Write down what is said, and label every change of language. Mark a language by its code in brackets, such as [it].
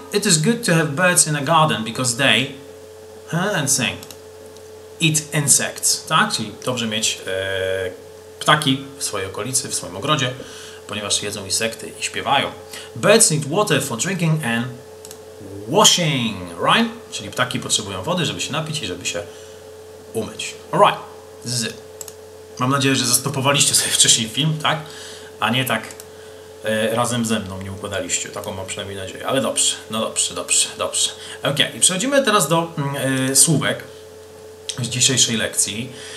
[en] It is good to have birds in a garden because they and sing. Eat insects. Tak? [pl] Czyli dobrze mieć ptaki w swojej okolicy, w swoim ogrodzie, ponieważ jedzą insekty i śpiewają. [en] Birds need water for drinking and washing, right? [pl] Czyli ptaki potrzebują wody, żeby się napić i żeby się umyć. [en] Alright, this is it. [pl] Mam nadzieję, że zastopowaliście sobie wcześniej film, tak? A nie tak razem ze mną nie układaliście. Taką mam przynajmniej nadzieję. Ale dobrze, no dobrze, dobrze, dobrze. Ok, i przechodzimy teraz do słówek z dzisiejszej lekcji.